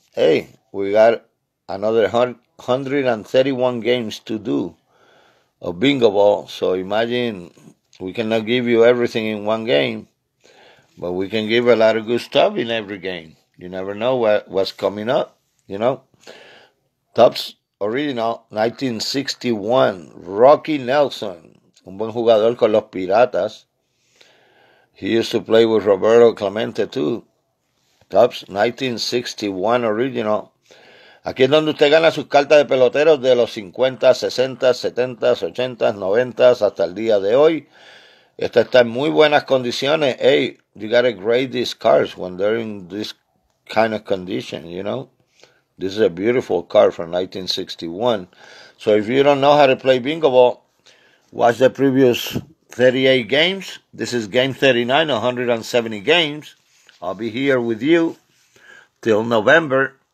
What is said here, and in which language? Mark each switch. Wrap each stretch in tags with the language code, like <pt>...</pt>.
<en>Hey, we got another 131 games to do of Bingo Ball. So imagine, we cannot give you everything in one game, but we can give a lot of good stuff in every game. You never know what's coming up, you know.</en> <es>Tops original, 1961, Rocky Nelson, un buen jugador con los Piratas.</es> <en>He used to play with Roberto Clemente, too. Tops, 1961 original.</en> <es>Aquí es donde usted gana sus cartas de peloteros de los 50, 60, 70, 80, 90, hasta el día de hoy. Esta está en muy buenas condiciones.</es> <en>Hey, you gotta grade these cards when they're in this kind of condition, you know? This is a beautiful card from 1961. So if you don't know how to play Bingo Ball, watch the previous 38 games. This is game 39, 170 games. I'll be here with you till November.</en>